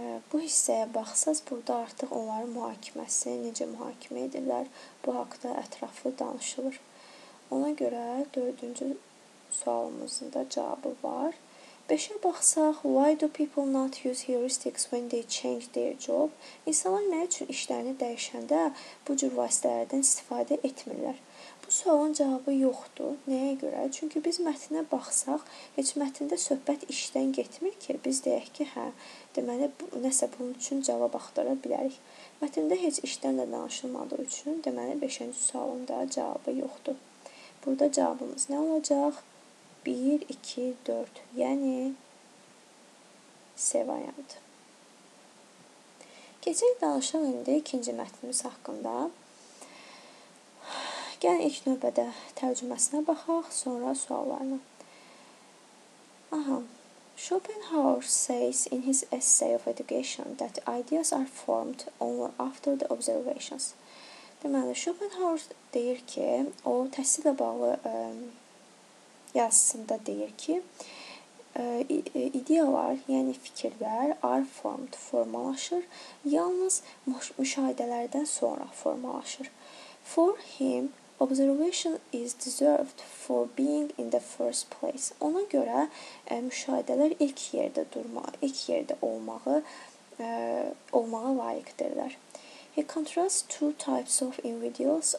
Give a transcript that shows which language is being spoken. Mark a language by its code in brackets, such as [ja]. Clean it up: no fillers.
[az] Bu hissəyə baxsanız, burada artıq onların mühakiməsi, necə mühakimə edirlər, bu haqda ətraflı danışılır. Ona görə 4-cü sualımızın da cavabı var. 5-ə baxsaq, [en] why do people not use heuristics when they change their job? [az] İnsanlar nə üçün işlərini dəyişəndə bu cür vasitələrdən istifadə etmirlər? Bu sualın cavabı yoxdur. Nəyə görə? Çünki biz mətnə baxsaq, heç mətndə söhbət işdən getmir ki, biz deyək ki, hə, deməli, nəsə bunun üçün cavab axtara bilərik. Mətndə heç işdən də danışılmadığı üçün, deməli, 5-ci sualın da cavabı yoxdur. Burada cavabımız nə olacaq? 1, 2, 4, yəni C variantı. Keçək danışaq indi ikinci mətnimiz haqqında. Gəlin ilk növbədə tərcüməsinə baxaq, sonra suallarına. Aha. [en] Schopenhauer says in his essay of education that ideas are formed only after the observations. [az] Deməli, Schopenhauer deyir ki, o təhsillə bağlı yazısında deyir ki, ideyalar, yəni fikirlər [en] are formed, [az] formalaşır, yalnız müşahidələrdən sonra formalaşır. [en] For him, observation is deserved for being in the first place. [az] Ona görə müşahidələr ilk yerdə durmağı, ilk yerdə olmağa layiqdirlər. [en] He contrasts two types of individuals.